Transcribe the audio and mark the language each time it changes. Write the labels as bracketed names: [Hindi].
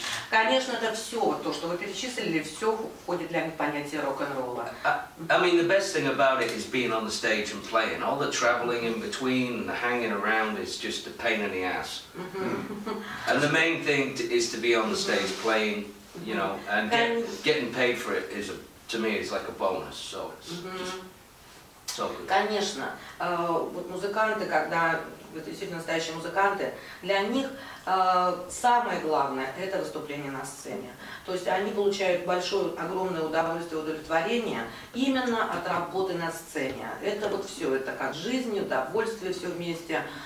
[Russian] Конечно, это все, то, что вы перечислили, все входит для них в понятие рок-н-ролла. [English] I mean, the best thing about it is being on the stage and playing. All the traveling in between and the hanging around is just a pain in the ass. And the main thing is to be on the stage playing, you know, and getting paid for it is, to me, is like a bonus, so it's just so good. [Russian] Конечно, вот музыканты, когда... Это действительно настоящие музыканты, для них самое главное – это выступление на сцене. То есть они получают большое, огромное удовольствие и удовлетворение именно от работы на сцене. Это вот все, это как жизнь, удовольствие, все вместе.